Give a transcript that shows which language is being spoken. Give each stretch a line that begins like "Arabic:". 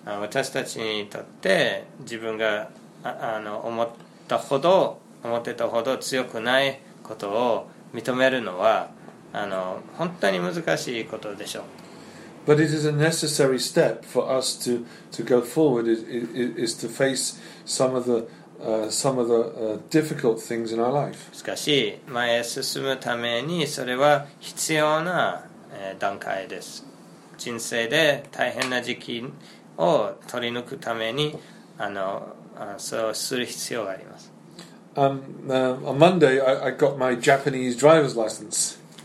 Japanese: 私たちにとって自分が思ってたほど強くないことを認めるのは本当に難しいことでしょう。
English: But it is a necessary step for us to go forward. It is to face some of the difficult things in our life.
Japanese: しかし、前へ進むためにそれは必要な段階です。人生で大変な時期を取り抜くためにそうする必要があります。
English: On Monday, I got my Japanese driver's license.